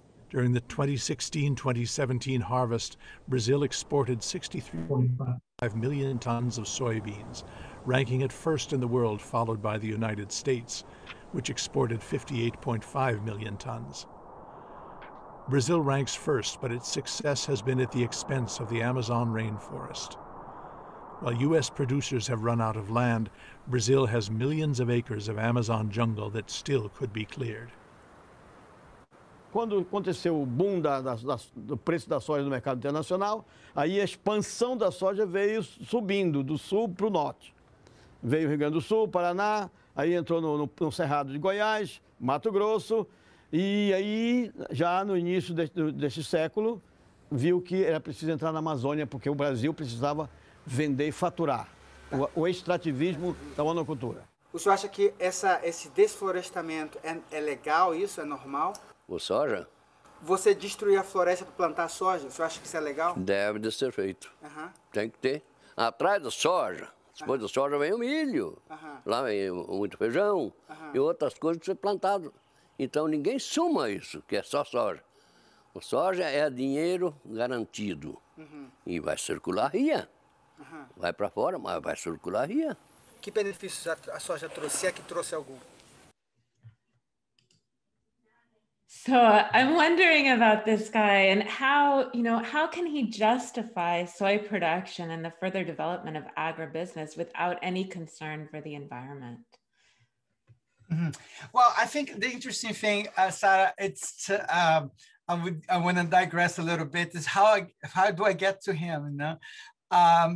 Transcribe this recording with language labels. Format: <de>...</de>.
<en>During the 2016-2017 harvest, Brazil exported 63.5 million tons of soybeans, ranking it first in the world, followed by the United States, which exported 58.5 million tons. Brazil ranks first, but its success has been at the expense of the Amazon rainforest. While U.S. producers have run out of land, Brazil has millions of acres of Amazon jungle that still could be cleared.</en> <pt>Quando aconteceu o boom do preço da soja no mercado internacional, aí a expansão da soja veio subindo do sul para o norte. Veio Rio Grande do Sul, Paraná, aí entrou no Cerrado de Goiás, Mato Grosso, e aí já no início deste século viu que era preciso entrar na Amazônia porque o Brasil precisava vender e faturar. O extrativismo da monocultura. O senhor acha que esse desflorestamento é legal, isso é normal? O soja? Você destruir a floresta para plantar soja, o senhor acha que isso é legal? Deve de ser feito. Uhum. Tem que ter. Atrás da soja, depois da soja vem o milho, lá vem muito feijão e outras coisas que são plantadas. Então ninguém suma isso, que é só soja. O soja é dinheiro garantido e vai circular ria. Vai para fora, mas vai circular ria. Que benefícios a soja trouxe? Se é que trouxe algum?</pt> <en>So I'm wondering about this guy and how, you know, how can he justify soy production and the further development of agribusiness without any concern for the environment? Mm-hmm. Well, I think the interesting thing, Sarah, it's to, I want to digress a little bit, is how do I get to him, you know?</en>